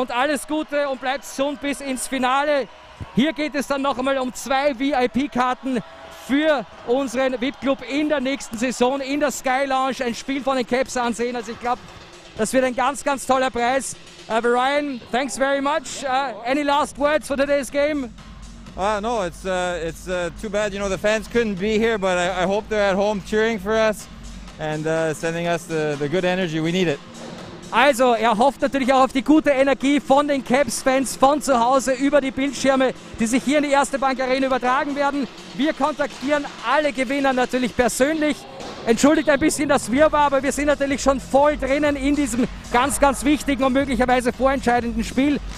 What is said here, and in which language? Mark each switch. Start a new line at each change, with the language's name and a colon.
German: Und alles Gute und bleibt gesund bis ins Finale. Hier geht es dann noch einmal um zwei VIP-Karten für unseren VIP-Club in der nächsten Saison in der Sky Lounge. Ein Spiel von den Caps ansehen. Also ich glaube, das wird ein ganz, ganz toller Preis.
English: Ryan, thanks very much. Any last words for today's game? No, it's too bad. You know, the fans couldn't be here, but I hope they're at home cheering for us and sending us the good energy. We need it.
German: Also, hofft natürlich auch auf die gute Energie von den Caps-Fans von zu Hause über die Bildschirme, die sich hier in die Erste Bank Arena übertragen werden. Wir kontaktieren alle Gewinner natürlich persönlich. Entschuldigt ein bisschen das Wirrwarr, aber wir sind natürlich schon voll drinnen in diesem ganz, ganz wichtigen und möglicherweise vorentscheidenden Spiel.